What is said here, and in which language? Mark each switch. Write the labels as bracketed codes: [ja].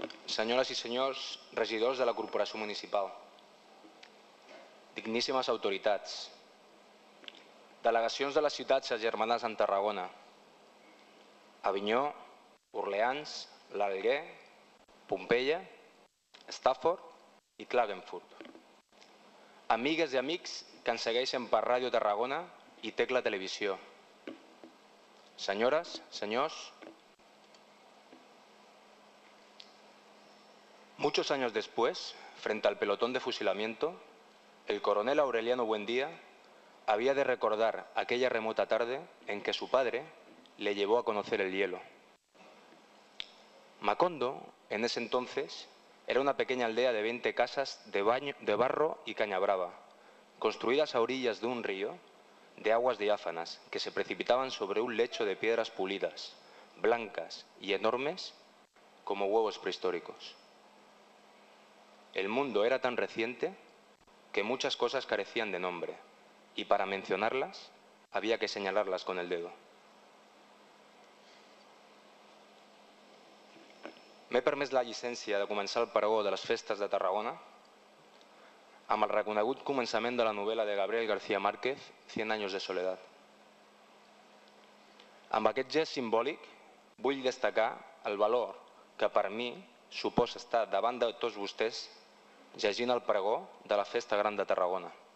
[ca] Senyores i senyors regidors de la Corporació Municipal, digníssimes autoritats, delegacions de les ciutats agermanades en Tarragona, Avinyó, Orleans, l'Alguer, Pompeia, Stafford i Klagenfurt. Amigues i amics que ens segueixen per Ràdio Tarragona i Tecla Televisió. Senyores, senyors, [es] muchos años después, frente al pelotón de fusilamiento, el coronel Aureliano Buendía había de recordar aquella remota tarde en que su padre le llevó a conocer el hielo. Macondo, en ese entonces, era una pequeña aldea de 20 casas de barro y caña brava, construidas a orillas de un río de aguas diáfanas que se precipitaban sobre un lecho de piedras pulidas, blancas y enormes como huevos prehistóricos. El mundo era tan reciente que muchas cosas carecían de nombre y para mencionarlas había que señalarlas con el dedo. [ca] M'he permès la llicència de començar el pregó de les festes de Tarragona amb el reconegut començament de la novel·la de Gabriel García Márquez, 100 anys de soledat. Amb aquest gest simbòlic vull destacar el valor que per mi suposa estar davant de tots vostès llegint el pregó de la Festa Gran de Tarragona.